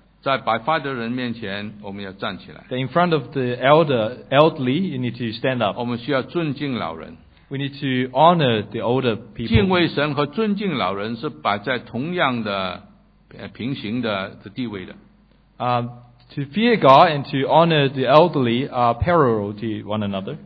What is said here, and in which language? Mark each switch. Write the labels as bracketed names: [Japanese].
[Chinese] 在白发的人面前，我们要站起来。 [English] In front of the elderly, you need to stand up. [Chinese] 我们需要尊敬老人。 [English] We need to honor the older people. [Chinese] 敬畏神和尊敬老人是摆在同样的平行的地位的。 [English] To fear God and to honor the elderly are parallel to one another.